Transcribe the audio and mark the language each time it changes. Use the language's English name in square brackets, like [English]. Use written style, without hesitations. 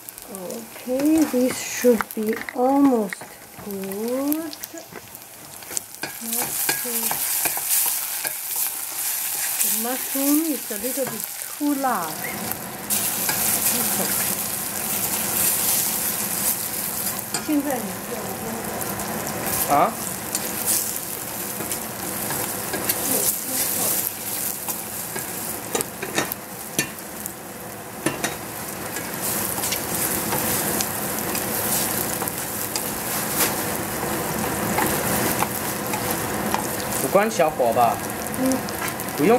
[Chinese] 哦呦呦呦呦！好了吧？好了，你去洗手，我们该做，继续做。 [English] Okay, this should be almost good. The mushroom is a little bit too large. [Chinese] 现在你做的啊？不关小火吧？嗯。不用。